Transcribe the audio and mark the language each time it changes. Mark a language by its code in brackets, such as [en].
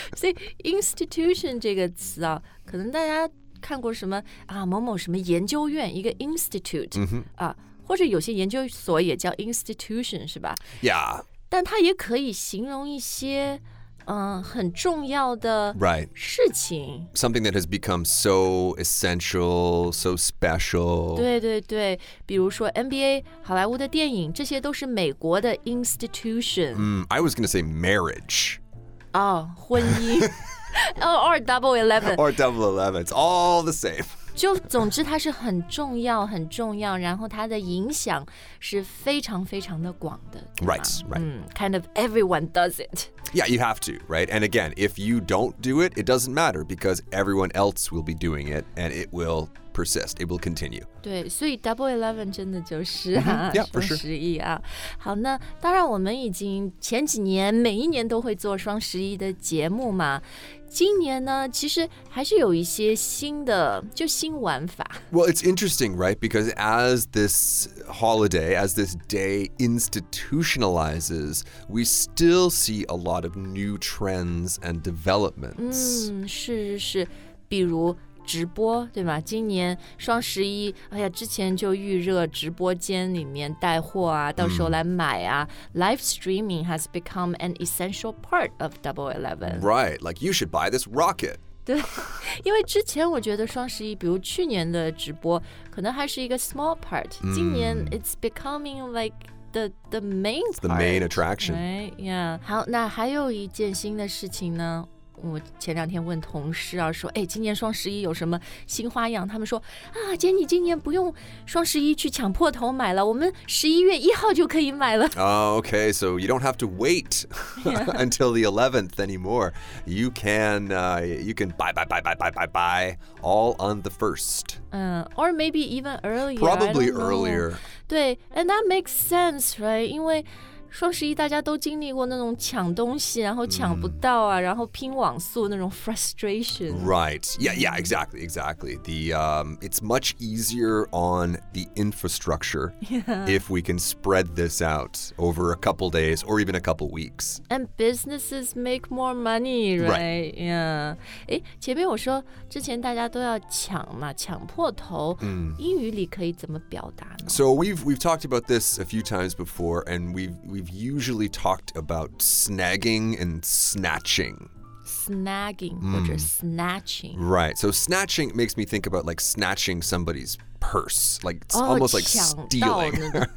[zh] 所以 institution 这个词啊，可能大家看过什么啊某某什么研究院一个 institute、 mm-hmm. 啊，或者有些研究所也叫 institution 是吧 [en] ？Yeah. [zh] 但它也可以形容一些、很重要的事情、 [en] right. Something that has become so essential, so special. [zh] 对对对，比如说 NBA, 好莱坞的电影，这些都是美国的 institution、 [en] I was going to say marriage. 哦、oh, ， [zh] 婚姻 [en] or double 11. Or double 11, it's all the same. [zh] 就总之它是很重要很重要然后它的影响是非常非常的广的 [en] Right, right、 Kind of everyone does it Yeah, you have to, right? And again, if you don't do it, it doesn't matter because everyone else will be doing it and it will persist, it will continue [zh] 对所以 Double Eleven 真的就是、啊 [en] mm-hmm. Yeah, for sure [zh] 双十一啊好那当然我们已经前几年每一年都会做双十一的节目嘛今年呢其实还是有一些新的就新玩法 [en] Well, it's interesting, right? Because as this holiday, as this day institutionalizes, we still see a lot of new trends and developments. [zh] 是是是比如直播对吗今年双十一哎呀之前就预热直播间里面带货啊到时候来买啊、 [en] Live streaming has become an essential part of Double Eleven. Right, like you should buy this rocket. [zh] 对因为之前我觉得双十一比如去年的直播可能还是一个 [en] small part. [zh] 今年 [en] it's becoming like the main part. The main attraction. Right, yeah. [zh] 好那还有一件新的事情呢我前两天问同事啊说哎今年双十一有什么新花样他们说啊姐你今年不用双十一去抢破头买了我们十一月一号就可以买了。 [en] Okay, so you don't have to wait until the 11th anymore. You can buy all on the first. Or maybe even earlier. Probably earlier. 对 and that makes sense, right? [zh] 因为双十一大家都经历过那种抢东西然后抢不到啊、mm. 然后拼网速那种 frustration. [en] Right. Yeah, yeah, exactly, exactly. It's much easier on the infrastructure、 yeah. if we can spread this out over a couple days or even a couple weeks. And businesses make more money, right? Yeah. [zh] 诶前面我说之前大家都要抢嘛抢破头、英语里可以怎么表达呢 [en] So we've talked about this a few times before and we've usually talked about snagging and snatching. Snagging, or just snatching. Right, so snatching makes me think about like snatching somebody's purse. Like, it's almost like stealing.